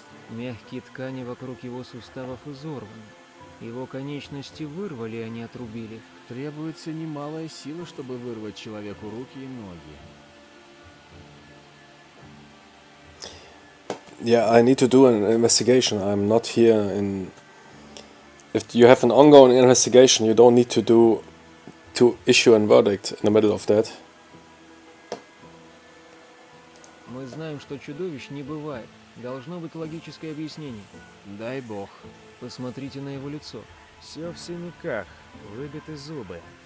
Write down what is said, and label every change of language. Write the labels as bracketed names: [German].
[Russian] мягкие ткани вокруг его суставов изорваны. Его конечности вырвали, а не отрубили. Требуется немалая сила, чтобы вырвать человеку руки и ноги. [English] Yeah, I need to do an investigation. I'm not here in... If you have an ongoing investigation, you don't need to do... to issue a verdict in the middle of that. [Russian] Мы знаем, что чудовищ не бывает. Должно быть логическое объяснение. Дай бог. Посмотрите на его лицо. Все в синяках. Выбиты зубы.